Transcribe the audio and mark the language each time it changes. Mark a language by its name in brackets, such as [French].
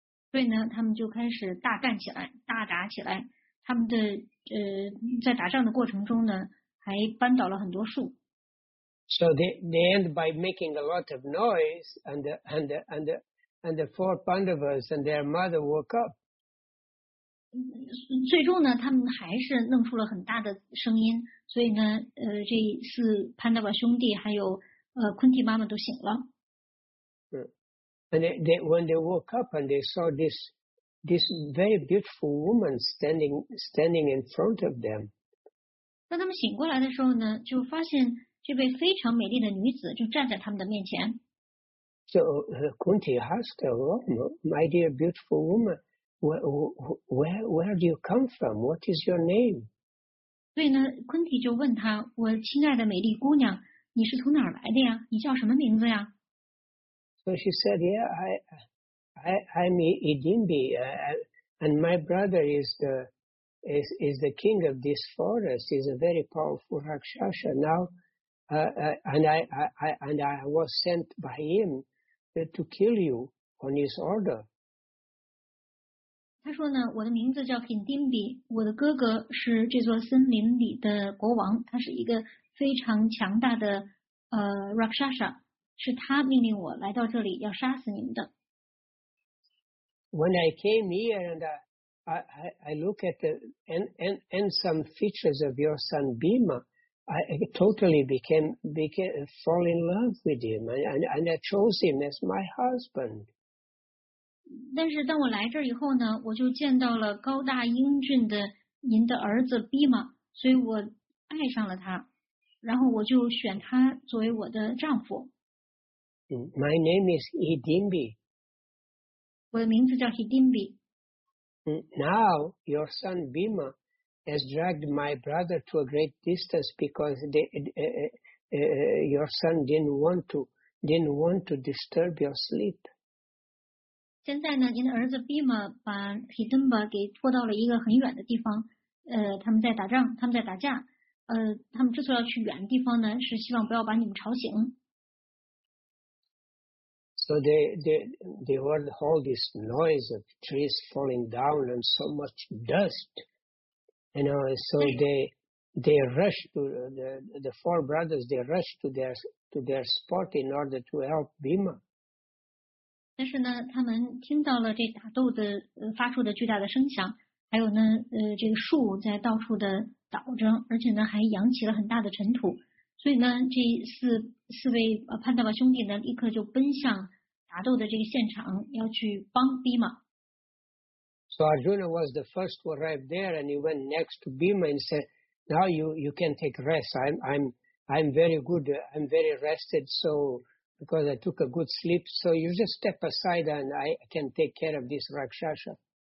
[Chinese] 所以呢，他们就开始大干起来，大打起来。他们的在打仗的过程中呢，还搬倒了很多树。 [English] So they end by making a lot of noise, and the four Pandavas and their mother woke up. [Chinese] 最终呢，他们还是弄出了很大的声音，所以呢，这四 Pandava 兄弟还有Kunti 妈妈都醒了。 [English] And when they woke up and they saw this very beautiful woman standing in front of them. [Chinese] 当他们醒过来的时候呢，就发现这位非常美丽的女子就站在他们的面前。 [English] So Kunti asked her, "Oh, my dear beautiful woman, where do you come from? What is your name?" [Chinese] 所以呢，昆提就问她：“我亲爱的美丽姑娘，你是从哪儿来的呀？你叫什么名字呀？” [English] So she said, "Yeah, I'm Idimbi, and my brother is the king of this forest. He's a very powerful rakshasa now, and I was sent by him to kill you on his order." [Chinese] 他说呢，我的名字叫 Idimbi， 我的哥哥是这座森林里的国王，他是一个非常强大的rakshasa。是他命令我来到这里要杀死你们的。 [English] When I came here and I look at the and some features of your son Bhima, I totally became fall in love with him and I chose him as my husband. [Chinese] 但是当我来这以后呢，我就见到了高大英俊的您的儿子 Bhima， 所以我爱上了他，然后我就选他作为我的丈夫。 [English] My name is Hidimbi. [Chinese] 我的名字叫 Hidimbi. [English] Now your son Bhima has dragged my brother to a great distance because your son didn't want to disturb your sleep. [Chinese] 现在呢，您的儿子 Bhima 把 Hidimba 给拖到了一个很远的地方。他们在打仗，他们在打架。他们之所以要去远的地方呢，是希望不要把你们吵醒。 [English] So they heard all this noise of trees falling down and so much dust, you know. So they rushed to the four brothers. They rushed to their spot in order to help Bhima. [Chinese] 但是呢，他们听到了这打斗的发出的巨大的声响，还有呢，这个树在到处的倒着，而且呢，还扬起了很大的尘土。所以呢，这四位潘大宝兄弟呢，立刻就奔向。打斗的这个现场要去帮 Bhima。 [English] So Arjuna was the first to arrive there, and he went next to Bhima and said, "Now you can take rest. I'm very good. I'm very rested. So because I took a good sleep, so you just step aside, and I can take care of this rakshasa."